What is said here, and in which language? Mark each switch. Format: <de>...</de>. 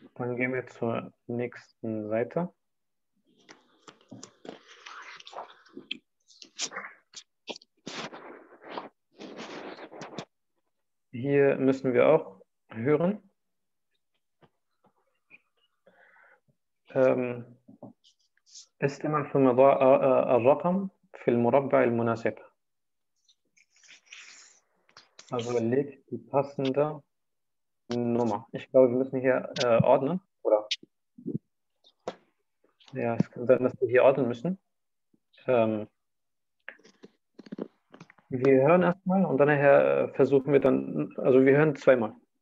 <de>Dann gehen wir zur nächsten Seite. Hier müssen wir auch hören.</de> <ar>استمع ثم ضع الرقم في المربع المناسب.</ar> <de>Also leg die passende Nummer. Ich glaube, wir müssen hier ordnen, oder? Ja, es kann sein, dass wir hier ordnen müssen. Wir hören erstmal und nachher versuchen wir dann, also wir hören zweimal.</de>